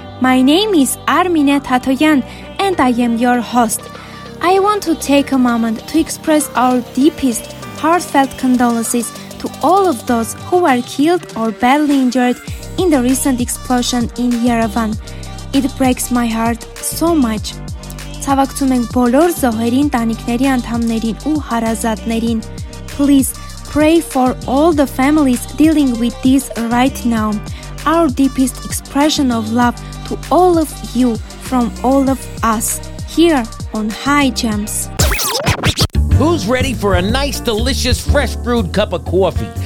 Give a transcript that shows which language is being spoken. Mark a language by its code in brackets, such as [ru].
[en] My name is Armine Tatoyan and I am your host. I want to take a moment to express our deepest heartfelt condolences to all of those who were killed or badly injured in the recent explosion in Yerevan. It breaks my heart so much. [hy] Ցավակցում ենք բոլոր զոհերին, տանիքների անդամներին ու հարազատներին. [en] Please pray for all the families dealing with this right now. Our deepest expression of love to all of you from all of us here on High Jams. Who's ready for a nice, delicious, fresh-brewed cup of coffee?